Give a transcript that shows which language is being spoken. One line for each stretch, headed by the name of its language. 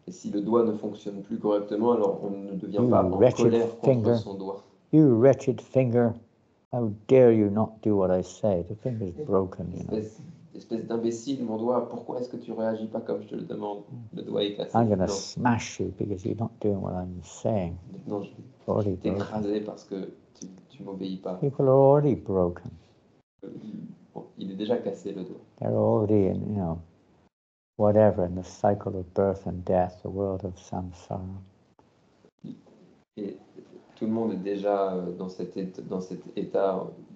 French: Et si le doigt ne fonctionne plus correctement, alors on ne devient pas en colère contre son doigt.
English: You wretched finger! How dare you not do what I say? The finger is broken, you know.
French: Espèce d'imbécile, mon doigt, pourquoi est-ce que tu réagis pas comme je te le demande? Le doigt est cassé.
English: I'm going to smash you because you're not doing what I'm saying.
French: Non, je t'ai écrasé parce que tu m'obéis pas.
English: People are already broken.
French: Bon, il est déjà cassé, le doigt.
English: They're already in, whatever, in the cycle of birth and death, the world of samsara.
French: Et tout le monde est déjà dans ce cycle de naissance et de mort.